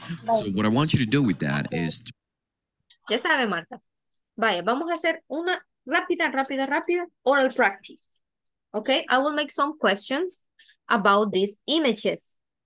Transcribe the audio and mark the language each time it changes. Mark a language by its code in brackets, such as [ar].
[en] So what I want you to do with that is... [es] Ya sabe, Marta. Vaya, vamos a hacer una rápida [en] oral practice. Okay, I will make some questions about these images.